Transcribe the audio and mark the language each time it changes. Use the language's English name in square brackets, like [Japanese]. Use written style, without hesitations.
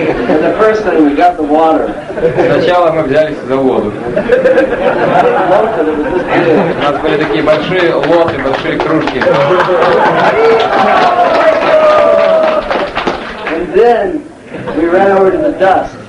[English] And the first thing we got the water. [Russian] Сначала мы взялись за воду. У нас были такие большие лоты, большие кружки. [English] And then we ran over to the dust.